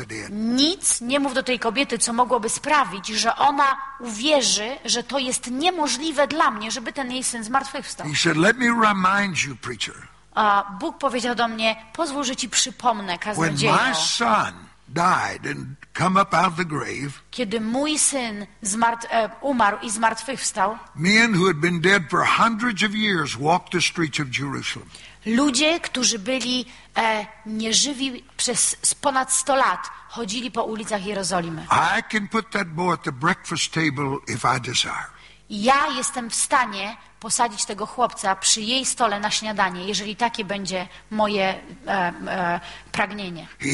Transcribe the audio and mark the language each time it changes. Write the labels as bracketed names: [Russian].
[Polish] Nic nie mów do tej kobiety, co mogłoby sprawić, że ona uwierzy, że to jest niemożliwe dla mnie, żeby ten jej syn zmartwychwstał. [English] He said, let me remind you, preacher. [Polish] A Bóg powiedział do mnie, pozwól, że ci przypomnę, kaznodziejo. [English] When my son died and come up out of the grave. [Polish] Kiedy mój syn umarł i zmartwychwstał. [English] Men who had been dead for hundreds of years walked the streets of Jerusalem. [Polish] Ludzie, którzy byli nieżywi przez ponad 100 lat, chodzili po ulicach Jerozolimy. [English] I can put that boy at the breakfast table if I desire. [Polish] Ja jestem w stanie posadzić tego chłopca przy jej stole na śniadanie, jeżeli takie będzie moje pragnienie.